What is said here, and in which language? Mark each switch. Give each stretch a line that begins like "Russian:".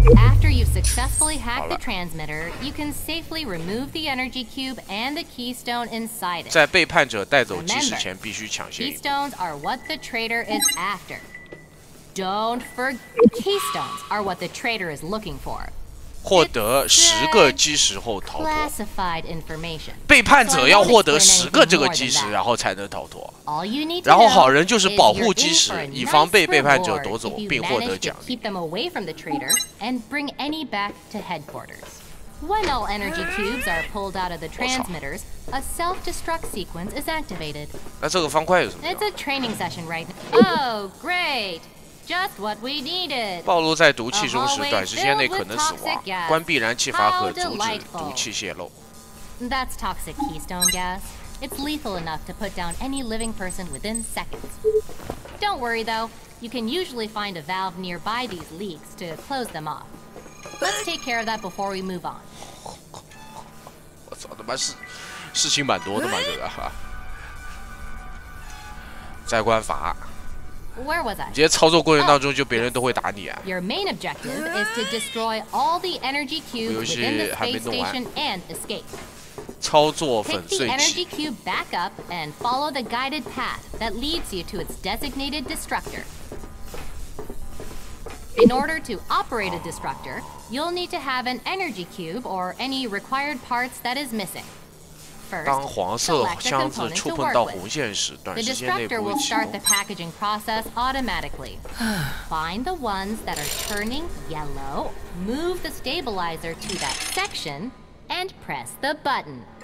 English: After you successfully hack the transmitter, you can safely remove the energy cube and the keystone inside it.
Chinese: 在背叛者带走基石前，必须抢先一步。
English: Keystones are what the trader is after. Don't forget. Keystones are what the trader is looking for.
Chinese: 获得十个基石后逃脱。
English: Classified information.
Chinese: 背叛者要获得十个这个基石，然后才能逃脱。
English: All you need to know.
Chinese: 然后好人就是保护基石，以防被背叛者夺走并获得奖励。
English: Keep them away from the trader and bring any back to headquarters. When all energy cubes are pulled out of the transmitters, a self-destruct sequence is activated.
Chinese: 那这个方块有什么
English: ？It's a training session right now. Oh, great. Just what we needed.
Chinese: 暴露在毒气中时，短时间内可能死亡。关闭燃气阀和阻止毒气泄漏。
English: That's toxic keystone gas. It's lethal enough to put down any living person within seconds. Don't worry though. You can usually find a valve nearby these leaks to close them off. Let's take care of that before we move on.
Chinese: 我操他妈是，事情蛮多的嘛这个哈。再关阀。
English: Where was I?
Chinese: 你这些操作过程当中，就别人都会打你啊。
English: Your main objective is to destroy all the energy cubes within the space station and escape.
Chinese: 操作粉碎机。
English: Take the energy cube back up and follow the guided path that leads you to its designated destructor. In order to operate a destructor, you'll need to have an energy cube or any required parts that is missing.
Chinese: 当黄色箱子触碰到红线时，短时间内不会启动。
English: The destructor will start the packaging process automatically. Find the ones that are turning yellow, move the stabilizer to that section, and press the button.